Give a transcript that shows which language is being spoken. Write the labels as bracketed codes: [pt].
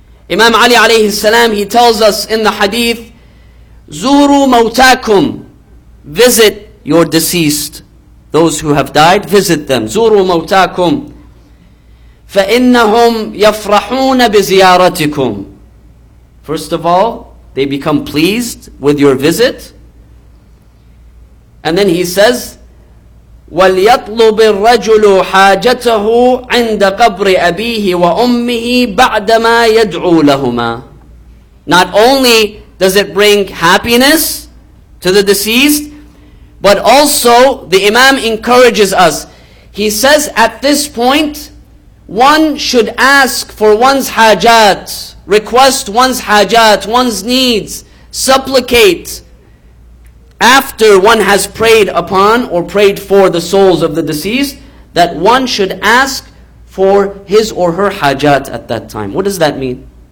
[en] Imam Ali alayhi salam, he tells us in the hadith, [ar] "Zuru mawtakum," [en] visit your deceased, those who have died, visit them. [ar] "Zuru mawtakum, fa'innahum yafrahuna biziyaratikum." [en] First of all, they become pleased with your visit. And then he says, [ar] وَلْيَطْلُبِ الرَّجُلُ حَاجَتَهُ عِنْدَ قَبْرِ أَبِيهِ وَأُمِّهِ بَعْدَمَا يَدْعُو لَهُمَا. [en] Not only does it bring happiness to the deceased, but also the Imam encourages us. He says at this point, one should ask for one's hajat, request one's hajat, one's needs, supplicate after one has prayed upon or prayed for the souls of the deceased, that one should ask for his or her hajat at that time. What does that mean?